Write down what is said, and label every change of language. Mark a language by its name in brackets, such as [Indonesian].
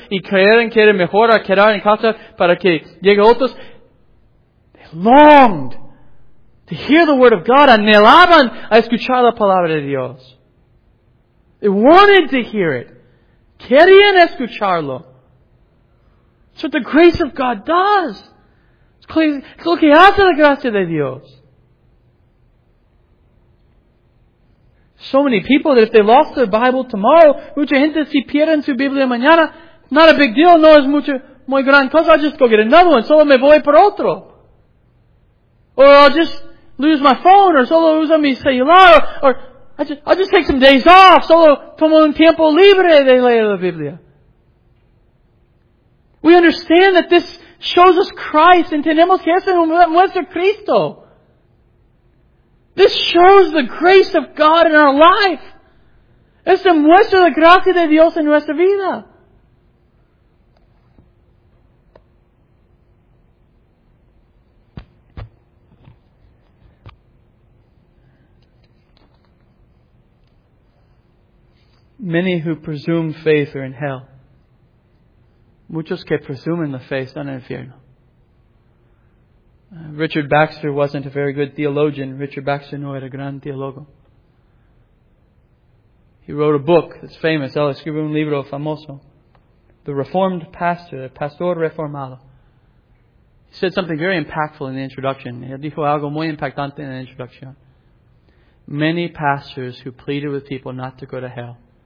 [Spanish] Y creían que era mejor a quedar en casa para que llegue otros. [English] They longed to hear the Word of God. [Spanish] Anhelaban a escuchar la Palabra de Dios. [English] They wanted to hear it. [Spanish] Querían escucharlo. [English] That's what the grace of God [Spanish] does. Es lo que hace la gracia de Dios. [English] So many people that if they lost their Bible tomorrow, [Spanish] mucha gente si pierden su Biblia mañana, [English] not a big deal, [Spanish] no es mucho, muy gran cosa, [English] I'll just go get another one, [Spanish] solo me voy por otro. [English] Or I'll just lose my phone, [Spanish] or solo usa mi celular, [English] or I'll just take some days off, [Spanish] solo tomo un tiempo libre de leer la Biblia. [English] We understand that this shows us Christ, and [Spanish] tenemos que eso muestra Cristo. [English] This shows the grace of God in our life. [Spanish] Esto muestra la gracia de Dios en nuestra vida. [English] Many who presume faith are in hell. [Spanish] Muchos que presumen la fe están en el infierno. [English] Richard Baxter wasn't a very good theologian. Richard Baxter [Spanish] no era gran teólogo. [English] He wrote a book that's famous. [Spanish] Él escribió un libro famoso. [English] The Reformed Pastor, [Spanish] el pastor reformado. [English] He said something very impactful in the introduction. [Spanish] Él dijo algo muy impactante en la introducción. [English] Many pastors who pleaded with people not to go to hell.